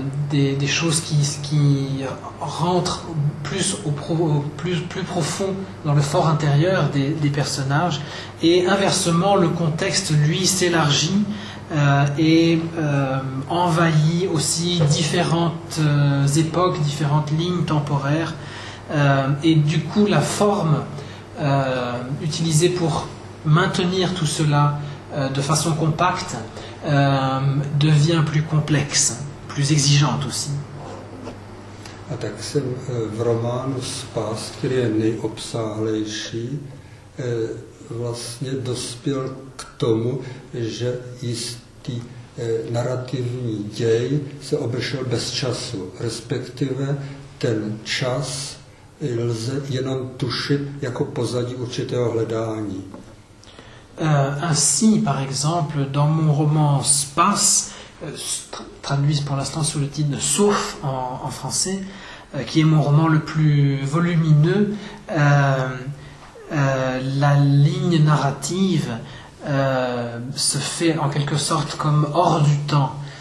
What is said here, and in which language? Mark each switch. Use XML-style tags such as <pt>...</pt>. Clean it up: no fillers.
<fr>des choses qui rentrent plus plus profond dans le fort intérieur des personnages, et inversement le contexte lui s'élargit et envahit aussi différentes époques, différentes lignes temporaires, et du coup la forme utilisée pour maintenir tout cela de façon compacte devient plus complexe, plus exigeante aussi.</fr> <cs>A tak jsem v románu Spas, který je nejobsáhlejší, vlastně dospěl k tomu, že jistý narrativní děj se obešel bez času. Respektive ten čas lze jenom tušit jako pozadí určitého hledání.</cs> <fr>Ainsi, par exemple, dans mon roman Spas, traduit pour l'instant sous le titre « Sauf » en français, qui est mon roman le plus volumineux, la ligne narrative se fait en quelque sorte comme hors du temps.</fr>